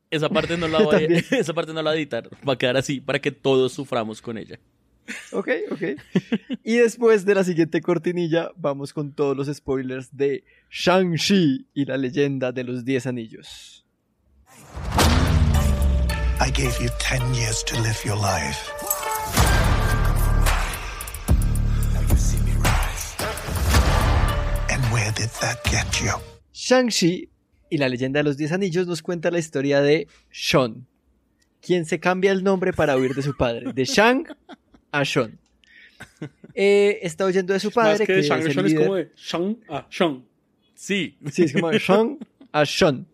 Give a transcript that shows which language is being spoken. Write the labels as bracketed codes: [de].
[es] Esa parte no la voy a esa parte no la voy a editar. Va a quedar así para que todos suframos con ella. Ok. Y después de la siguiente cortinilla, vamos con todos los spoilers de Shang-Chi y la leyenda de los 10 anillos. [en] I gave you 10 years to live your life. Now you see me rise. And where did that get you? [es] Shang-Chi y la leyenda de los 10 anillos nos cuenta la historia de Sean, quien se cambia el nombre para huir de su padre, de Shang a Sean. Está huyendo de su padre. Más que Shang, Sean es como de Sean a Sean. Sí. Sí, es como de Sean a Sean.